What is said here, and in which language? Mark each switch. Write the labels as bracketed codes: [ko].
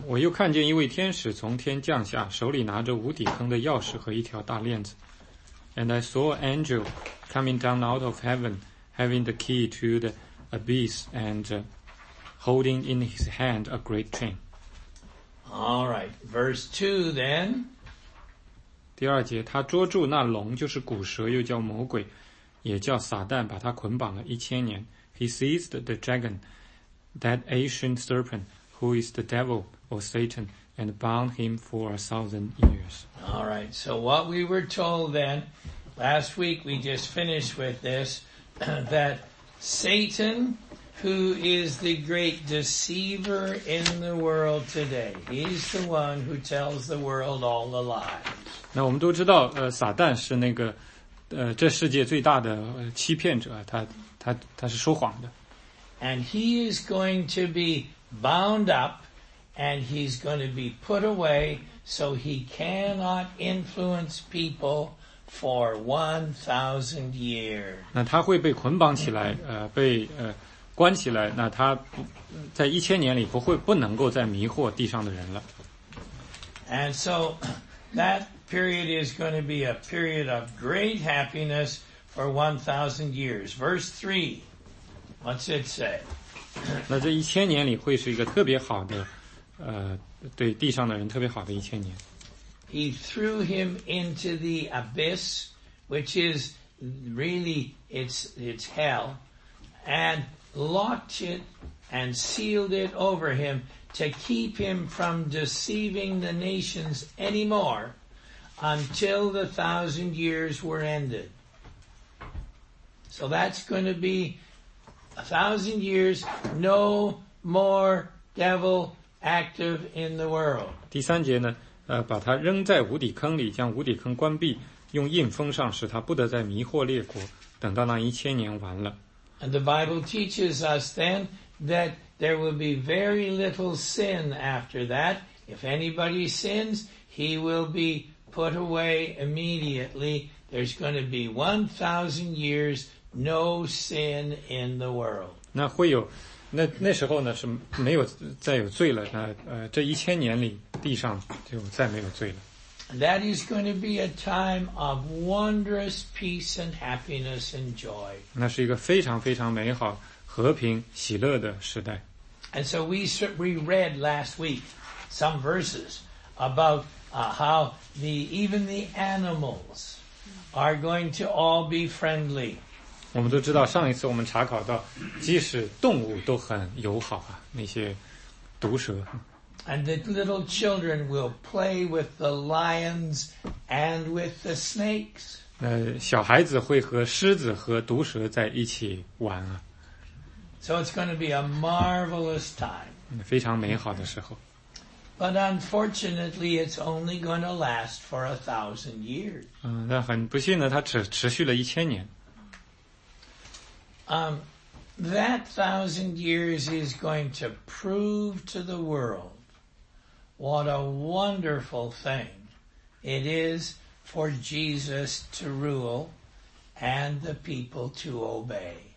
[zh] 我又看见一位天使从天降下，手里拿着无底坑的钥匙和一条大链子。 [en] And I saw an angel coming down out of heaven, having the key to the abyss and holding in his hand a great chain. All right, verse 2 then. [zh] 第二节，他捉住那龙，就是古蛇，又叫魔鬼，也叫撒旦，把他捆绑了一千年。 [en] He seized the dragon, that ancient serpent, who is the devil or Satan, and bound him for 1,000 years. All right, so what we were told then, last week we just finished with this, that Satan, who is the great deceiver in the world today, he's the one who tells the world all the lies. [zh] 那我们都知道撒旦是那个这世界最大的欺骗者，他是说谎的。 [en] And he is going to be bound up and he's going to be put away so he cannot influence people for 1,000 years. [zh] 那他会被捆绑起来关起来，那他在一千年里不能够再迷惑地上的人了。 [en] And so that period is going to be a period of great happiness for 1,000 years. Verse 3. What's it say? [zh] 那这一千年里会是一个特别好的对地上的人特别好的一千年。 [en] He threw him into the abyss, which is really, it's hell, and locked it and sealed it over him to keep him from deceiving the nations anymore until the 1,000 years were ended. So that's going to be 1,000 years, no more devil active in the world. [zh] 第三节呢，把他扔在无底坑里，将无底坑关闭，用印封上，使他不得再迷惑列国，等到那一千年完了。 [en] And the Bible teaches us then that there will be very little sin after that. If anybody sins, he will be put away immediately. There's going to be 1,000 years. No sin in the world. [zh] 那会有，那时候呢是没有再有罪了。那这一千年里，地上就再没有罪了。 [en] That is going to be a time of wondrous peace and happiness and joy. [zh] 那是一个非常非常美好、和平、喜乐的时代。 [en] And so we read last week some verses about how even the animals are going to all be friendly. [zh] 我们都知道上一次我们查考到即使动物都很友好啊，那些毒蛇。 [en] And the little children will play with the lions and with the snakes. [zh] 那小孩子会和狮子和毒蛇在一起玩啊。 [en] So it's going to be a marvelous time. [zh] 非常美好的时候。 [en] But unfortunately, it's only going to last for 1,000 years. [zh] 那很不幸的，它只持续了1000年。 [en] That 1,000 years is going to prove to the world what a wonderful thing it is for Jesus to rule and the people to obey.